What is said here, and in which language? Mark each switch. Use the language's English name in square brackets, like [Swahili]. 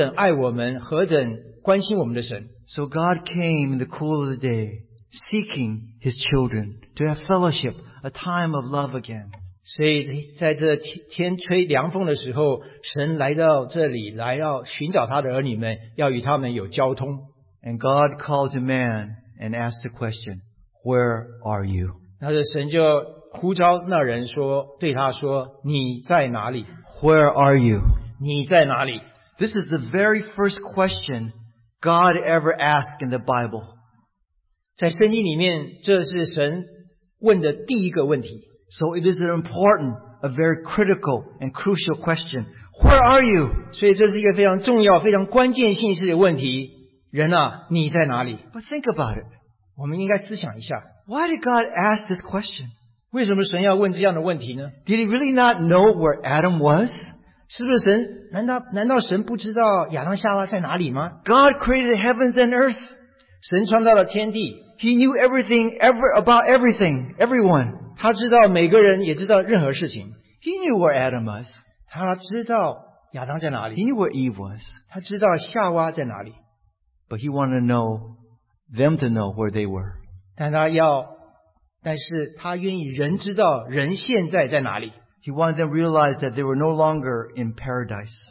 [Chinese] 我们有这一位神是何等爱我们,何等关心我们的神。 [English] So God came in the cool of the day, seeking His children to have fellowship, a time of love again. [Chinese] 所以在这天吹凉风的时候,神来到这里,来要寻找他的儿女们,要与他们有交通。 [English] And God called a man and asked the question, Where are you? [Chinese] 那神就呼召那人说,对他说,你在哪里? [English] Where are you? [Chinese] 你在哪里? [English] This is the very first question God ever asked in the Bible. [Chinese] 在圣经里面,这是神问的第一个问题。 [English] So it is an important, a very critical and crucial question. Where are you? [Chinese] 所以这是一个非常重要,非常关键性的问题。人啊,你在哪里? [English] But think about it. [Chinese] 我们应该思想一下。 [English] Why did God ask this question? [Chinese] 为什么神要问这样的问题呢? [English] Did he really not know where Adam was? [Chinese] 是不是神? 难道神不知道亚当夏娃在哪里吗? [English] God created heavens and earth. [Chinese] 神创造了天地。 [English] He knew everything, ever about everything, everyone. [Chinese] 他知道每个人也知道任何事情。 [English] He knew where Adam was. [Chinese] 他知道亚当在哪里。 [English] He knew where Eve was. [Chinese] 他知道夏娃在哪里。 [English] But he wanted to know them to know where they were. [Chinese] 但是他愿意人知道人现在在哪里。 [English] He wanted them to realize that they were no longer in paradise.